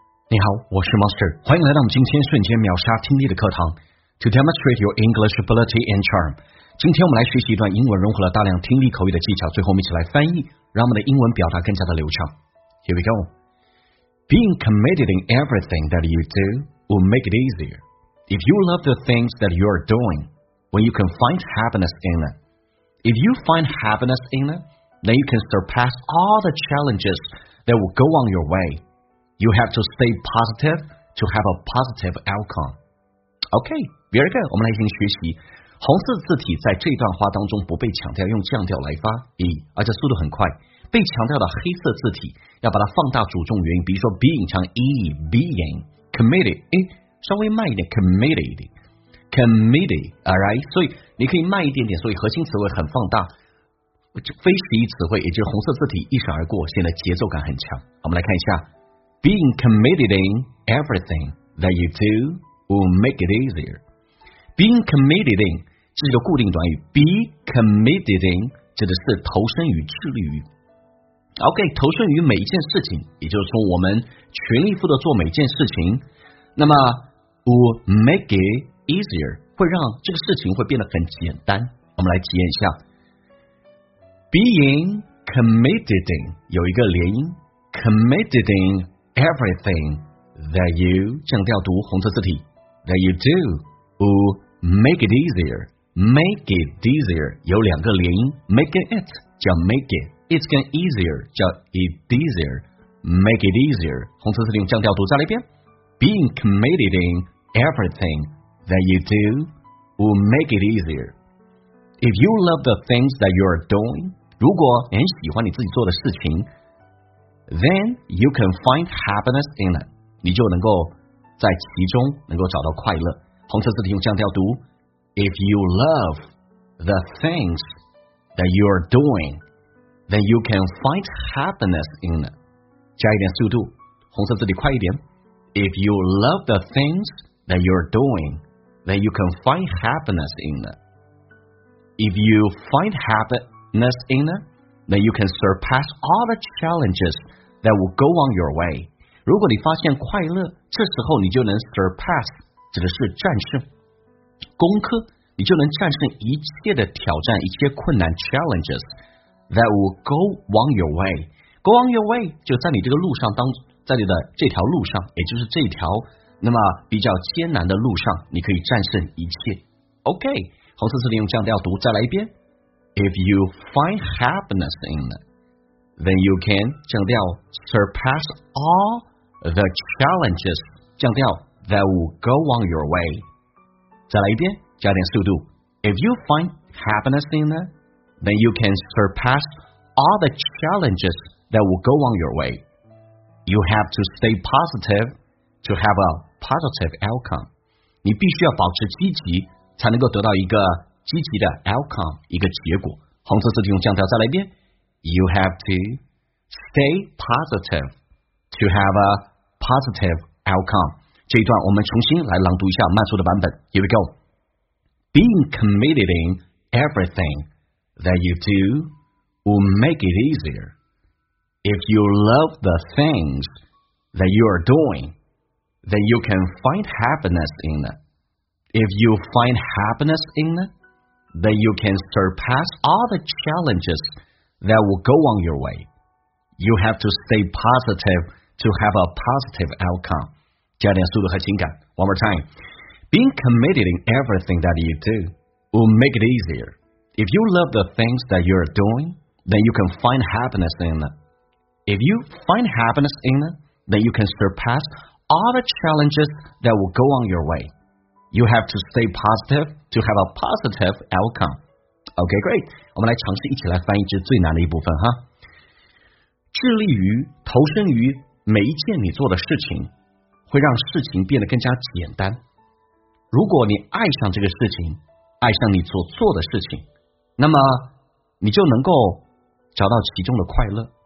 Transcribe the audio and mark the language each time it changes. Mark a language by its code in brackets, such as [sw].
[zh] 你好，我是 Master， 欢迎来到我们今天瞬间秒杀听力的课堂。 [en] To demonstrate your English ability and charm， [zh] 今天我们来学习一段英文融合了大量听力口语的技巧，最后我们一起来翻译，让我们的英文表达更加的流畅。 [en] Here we go. Being committed in everything that you do will make it easier. If you love the things that you are doing, when you can find happiness in it, if you find happiness in it, then you can surpass all the challenges that will go on your way. You have to stay positive to have a positive outcome. Okay, very good. [zh] 我们来进行学习。红色字体在这段话当中不被强调，用降调来发音，而且速度很快。被强调的黑色字体要把它放大主重元音，比如说 being 强 e [en] being committed， [zh] 稍微慢一点 [en] committed, all right. [zh] 所以你可以慢一点点，所以核心词汇很放大，非实义词汇也就是红色字体一闪而过，显得节奏感很强。我们来看一下。 [en] Being committed in everything that you do will make it easier. Being committed in [zh] 这是一个固定短语 ， [en] be committed in [zh] 指的是投身于、致力于。 OK， 投身于每一件事情，也就是说我们全力以赴的做每件事情。那么 [en] will make it easier [zh] 会让这个事情会变得很简单。我们来体验一下 ， [en] being committed in [zh] 有一个连音 ， [en] committed in。 Everything that you [zh] 降调读红色字体 [en] that you do will make it easier. Make it easier [zh] 有两个连音 [en] ，make it 叫 make it， 跟 easier 叫 it easier. Make it easier [zh] 红色字体用降调读再来一遍。 [en] Being committed in everything that you do will make it easier. If you love the things that you are doing， [zh] 如果你喜欢你自己做的事情。 [en] Then you can find happiness in it. [zh] 你就能够在其中能够找到快乐。红色字体用降调读。 [en] If you love the things that you are doing, then you can find happiness in it. [zh] 加一点速度，红色字体快一点。 [en] If you love the things that you are doing, then you can find happiness in it. If you find happiness in it, then you can surpass all the challenges. That will go on your way. [zh] 如果你发现快乐，这时候你就能 surpass， 指的是战胜、攻克，你就能战胜一切的挑战、一切困难 [en] challenges that will go on your way. Go on your way [zh] 就在你这个路上当，在你的这条路上，也就是这条那么比较艰难的路上，你可以战胜一切。 OK， 红色字体用降调读，再来一遍。 [en] If you find happiness in it. Then you can 降调 surpass all the challenges 降调 that will go on your way. [zh] 再来一遍，加点速度。 [en] If you find happiness in it, then you can surpass all the challenges that will go on your way. You have to stay positive to have a positive outcome. [zh] 你必须要保持积极，才能够得到一个积极的 outcome， 一个结果。红色字体用降调，再来一遍。 [en] You have to stay positive to have a positive outcome. [zh] 这一段我们重新来朗读一下慢速的版本。 [en] Here we go. Being committed in everything that you do will make it easier. If you love the things that you are doing, then you can find happiness in it. If you find happiness in it, then you can surpass all the challenges. That will go on your way. You have to stay positive to have a positive outcome. [zh] 加点速度和情感。 [en] One more time. Being committed in everything that you do will make it easier. If you love the things that you're doing, then you can find happiness in it. If you find happiness in it, then you can surpass all the challenges that will go on your way. You have to stay positive to have a positive outcome. OK, great. [zh] 我们来尝试一起来翻译这最难的一部分哈。致力于、投身于每一件你做的事情，会让事情变得更加简单。如果你爱上这个事情，爱上你所做的事情，那么你就能够找到其中的快乐。